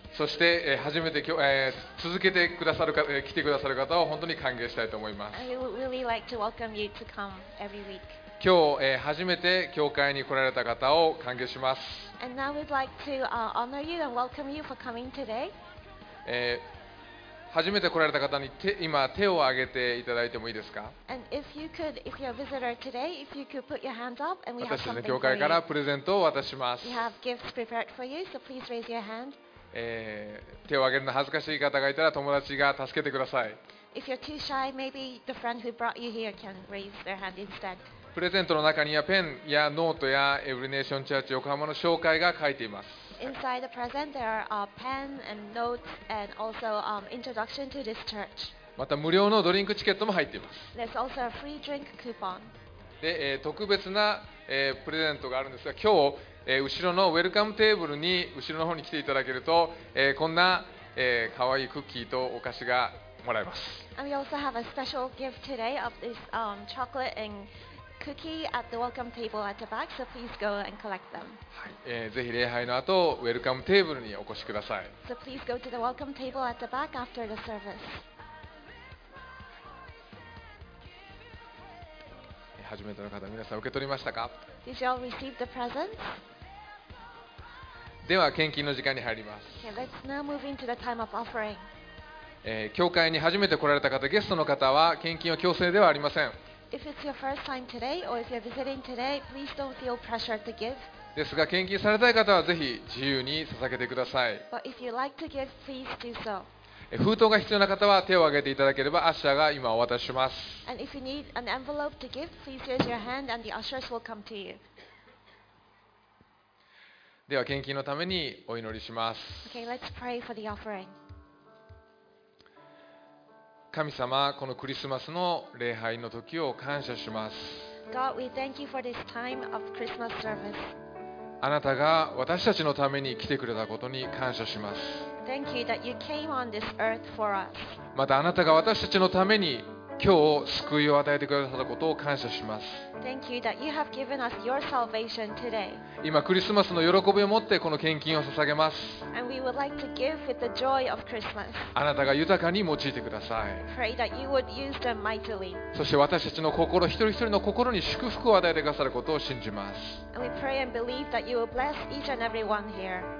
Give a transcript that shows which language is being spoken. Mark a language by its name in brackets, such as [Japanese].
[Japanese] そして初めて続けてくださる来てくださる方を本当に歓迎したいと思います。 [English] We would really like to welcome you to come every week. [Japanese] 今日初めて教会に来られた方を歓迎します。 [English] And now we'd like to honor you and welcome you for coming today. [Japanese] 初めて来られた方に今手を挙げていただいてもいいですか？ [English] And if you could, if you're a visitor today, if you could put your hands up, and we have something for you. [Japanese] 私たちの教会からプレゼントを渡します。 [English] We have gifts prepared for you, so please raise your hand. [Japanese] 手を挙げるの恥ずかしい方がいたら友達が助けてください。 [English] If you're too shy, maybe the friend who brought you here can raise their hand instead. [Japanese] プレゼントの中にはペンやノートやエブリネーションチャーチ横浜の紹介が書いています。 [English] Inside the present, there are a pen and notes and also introduction to this church. [Japanese] また無料のドリンクチケットも入っています。 [English] There's also a free drink coupon. [Japanese] で、特別な、プレゼントがあるんですが、今日、後ろのウェルカムテーブルに後ろの方に来ていただけると、こんな、かわいいクッキーとお菓子がもらえます。 [English] And we also have a special gift today of this chocolate and cookie at the welcome table at the back, so please go and collect them. [Japanese] はい、ぜひ礼拝の後、ウェルカムテーブルにお越しください。 [English] So please go to the welcome table at the back after the service. [Japanese] 初めての方、皆さん受け取りましたか？ [English] Did you all receive the present? [Japanese] では献金の時間に入ります。 [English] Okay, let's now move into the time of offering. [Japanese] 教会に初めて来られた方、ゲストの方は献金は強制ではありません。 [English] If it's your first time today or if you're visiting today, please don't feel pressure to give. [Japanese] ですが献金されたい方はぜひ自由に捧げてください。 [English] But if you'd like to give, please do so. [Japanese] 封筒が必要な方は手を挙げていただければアッシャーが今お渡しします。 [English] And if you need an envelope to give, please raise your hand and the ushers will come to you. [Japanese] では献金のためにお祈りします。 [English] Okay, let's pray for the offering. [Japanese] 神様、このクリスマスの礼拝の時を感謝します。 [English] God, we thank you for this time of Christmas service. [Japanese] あなたが私たちのために来てくれたことに感謝します。 [English] Thank you that you came on this earth for us. [Japanese] またあなたが私たちのために今日救いを与えてくださったことを感謝します。 [English] Thank you that you have given us your salvation today. [Japanese] 今クリスマスの喜びを持ってこの献金を捧げます。 [English] And we would like to give with the joy of Christmas. [Japanese] あなたが豊かに用いてください。 [English] Pray that you would use them mightily. [Japanese] そして私たちの心、一人一人の心に祝福を与えてくださることを信じます。 [English] And we pray and believe that you will bless each and every one here.